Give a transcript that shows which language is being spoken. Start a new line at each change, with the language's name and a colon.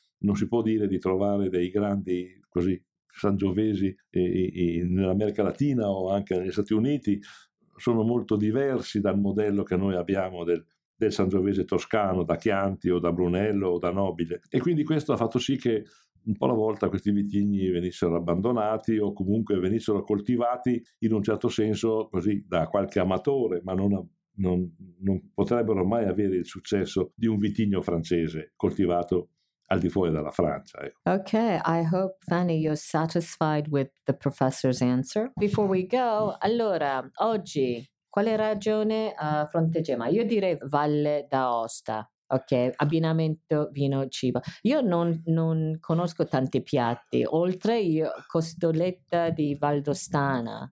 Italian: Non si può dire di trovare dei grandi così Sangiovesi nell'America Latina o anche negli Stati Uniti, sono molto diversi dal modello che noi abbiamo del Sangiovese toscano, da Chianti o da Brunello o da Nobile, e quindi questo ha fatto sì che un po' alla volta questi vitigni venissero abbandonati o comunque venissero coltivati in un certo senso così da qualche amatore, ma non potrebbero mai avere il successo di un vitigno francese coltivato al di fuori della Francia.
English: Okay, I hope, Fanny, you're satisfied with the professor's answer. Before we go,
Italian: allora, oggi, quale regione fronteggiamo? Io direi Valle d'Aosta, ok? Abbinamento, vino, cibo. Io non conosco tanti piatti, oltre io, costoletta di Valdostana.